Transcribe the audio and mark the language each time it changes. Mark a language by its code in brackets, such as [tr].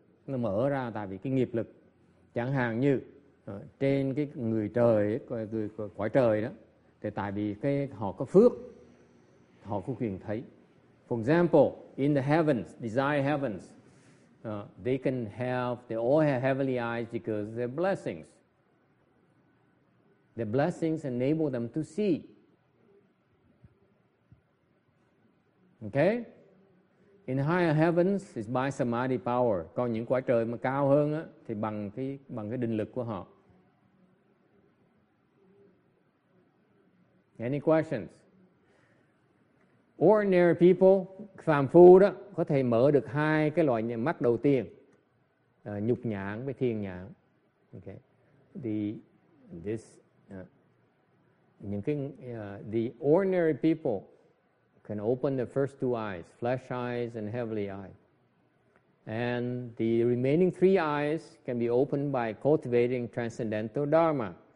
[vi] Nó mở ra tại vì cái nghiệp lực. Chẳng hạn như trên cái người trời, người quả trời đó, thì tại vì cái họ có phước, họ có quyền thấy. [en] For example, in the heavens, desire heavens, they can have, they all have heavenly eyes because of their blessings. Their blessings enable them to see. Okay? In higher heavens, it's by samadhi power. [vi] Còn những quả trời mà cao hơn á, thì bằng cái định lực của họ. [en] Any questions? Ordinary people, [vi] phàm phu đó, có thể mở được hai cái loại mắt đầu tiên. Nhục nhãn với thiên nhãn. Okay. [en] The ordinary people can open the first two eyes, flesh eyes and heavenly eye. And the remaining three eyes can be opened by cultivating transcendental dharma.